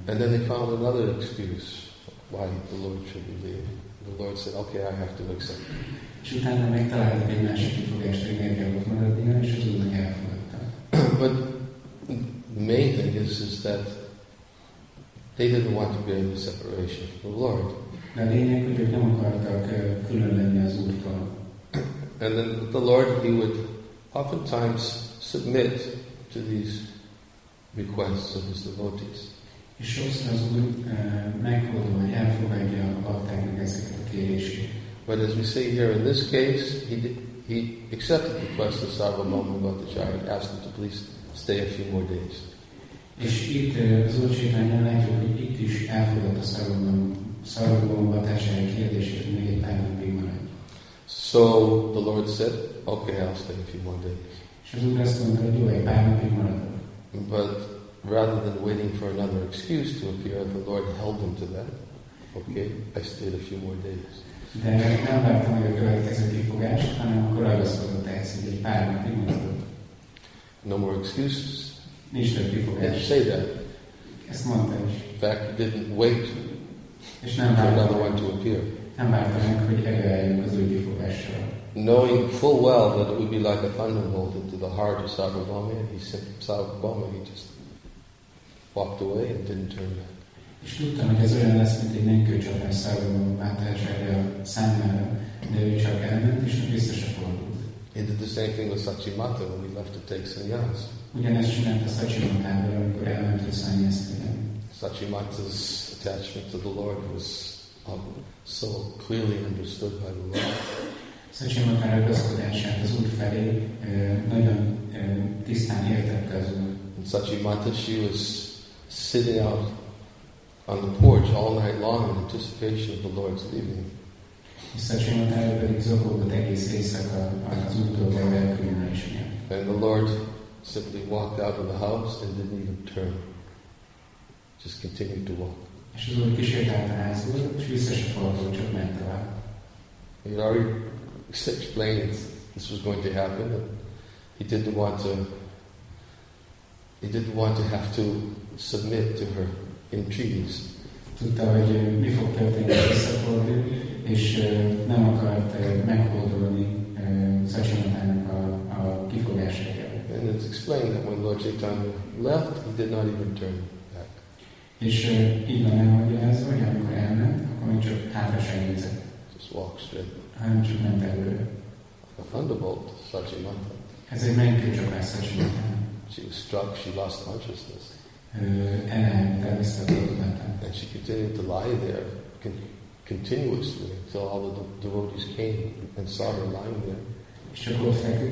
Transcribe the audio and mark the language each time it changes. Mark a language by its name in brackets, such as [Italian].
[English] And then they found another excuse why the Lord should be leave. The Lord said, okay, I have to accept. [Hungarian] És utána megtaláltak egy másik kifogást, hogy miért kell ott maradnia, és az Úrnak elfogadta. [English] But the main thing is that they didn't want to be in separation from the Lord. [Hungarian] De a lényeg, hogy ők nem akartak külön lenni az Úrtól. [English] And then the Lord, he would oftentimes submit to these requests of his devotees. [Hungarian] És sokszor az Úr meghódol, hogy elfogadja a baktáknak ezeket a kérését. [English] But as we see here in this case, he accepted the request of Sarvabhauma Bhattacharya and asked him to please stay a few more days. [Hungarian] És itt az Úr Csaitanya látjuk, hogy itt is elfogadta a Sarvabhauma Bhattacharya kérdését, hogy még egy pár napig maradj. [English] So the Lord said, okay, I'll stay a few more days. [Hungarian] És az Úr azt mondta, hogy jó, egy pár napig maradok. [English] But rather than waiting for another excuse to appear, the Lord held him to that. Okay, I stayed a few more days. [Hungarian] De nem vártam, hogy a következő kifogás, hanem akkor ragaszkodott ehhez, hogy egy pár napig maradok. [English] No more excuses. [Hungarian] Nincs több kifogás. [English] And say that. [Hungarian] Ezt mondta is. [English] In fact, he didn't wait [Hungarian] és nem [English] for another one to appear. [Hungarian] Nem vártam, hogy előálljunk az új kifogással. [English] Knowing full well that it would be like a thunderbolt into the heart of Sarvabhauma, he said, Sarvabhauma, he just walked away and didn't turn back. [Hungarian] És tudtam, hogy ez olyan lesz, mint egy mennykőcsapás Sarvabhauma Bhattacharya számára, de ő csak elment, és nem vissza se fordult. [English] He did the same thing with Sachimata when he left to take sannyas. [Hungarian] Ugyanezt csinálta Sachimatával, amikor elment a sannyasztére. [English] Sachimata's attachment to the Lord was so clearly understood by the Lord. [Hungarian] Sachimata ragaszkodását az Úr felé nagyon tisztán értette az Úr. [English] And Sachimata, she was sitting out on the porch all night long in anticipation of the Lord's leaving. [Hungarian] Sachimata pedig zokogott egész éjszaka az Úrtól való elkülönülés miatt. [English] And the Lord simply walked out of the house and didn't even turn. Just continued to walk. [Hungarian] És az Úr kísérdált a házból, és vissza se fordult, csak ment tovább. [English] He'd already explained that this was going to happen, and he didn't want to have to submit to her entreaties. [Hungarian] Tudta, hogy mi fog történni, visszafordul, és nem akart meghódolni Sachimatának a kifogásaira. [English] And it's explained that when Lord Chaitanya left, he did not even turn back. [Hungarian] És így van elmagyarázva, hogy amikor elment, akkor még csak hátra se nézett. [English] Just walk straight. [Hungarian] Hanem csak ment előre. [English] A thunderbolt, Sachimata. [Hungarian] Ez egy mennykőcsapás Sachimata. [English] She was struck, she lost consciousness. And she continued to lie there continuously until all the devotees came and saw her lying there.